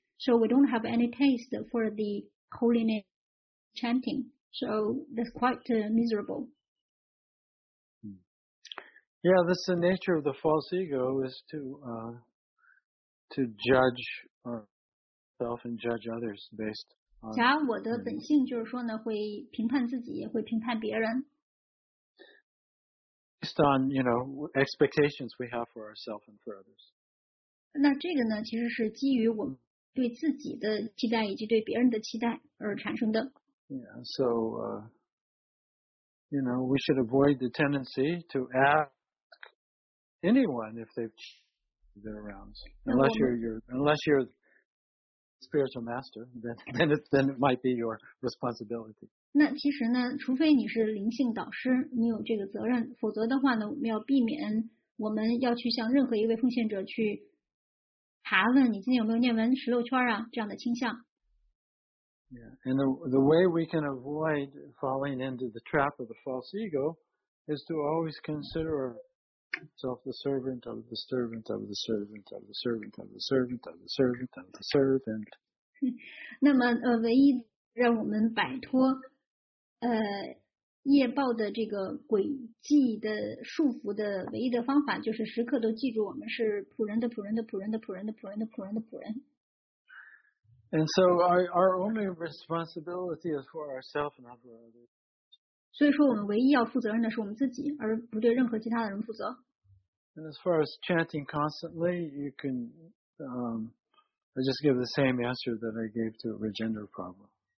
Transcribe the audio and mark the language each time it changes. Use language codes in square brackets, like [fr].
[en] So we don't have any taste for the holy name chanting. So that's quite miserable. Yeah, that's the nature of the false ego, is to judge ourself and judge others based. [zh] 假如我的本性就是说呢，会评判自己，也会评判别人。 [en] Based on, you know, expectations we have for ourselves and for others. [zh] 那这个呢，其实是基于我们对自己的期待以及对别人的期待而产生的。 [en] Yeah, so, you know, we should avoid the tendency to ask anyone if they've changed their rounds, unless you're. Spiritual master, then it might be your responsibility. [zh] 那其实呢，除非你是灵性导师，你有这个责任，否则的话呢，我们要避免我们要去向任何一位奉献者去查问你今天有没有念完十六圈啊这样的倾向。 [en] Yeah, and the way we can avoid falling into the trap of the false ego is to always consider ourselves the servant of the servant of the servant of the servant of the servant of the servant of the servant. [zh] 那么唯一让我们摆脱业报的这个诡计的束缚的唯一的方法，就是时刻都记住我们是仆人的仆人的仆人的仆人的仆人的仆人的仆人。 [en] And so our only responsibility is for ourselves and not for others. [zh] 所以说我们唯一要负责任的是我们自己，而不对任何其他的人负责。 [en] And as far as chanting constantly, you can, I just give the same answer that I gave to Rajendra Prabhu.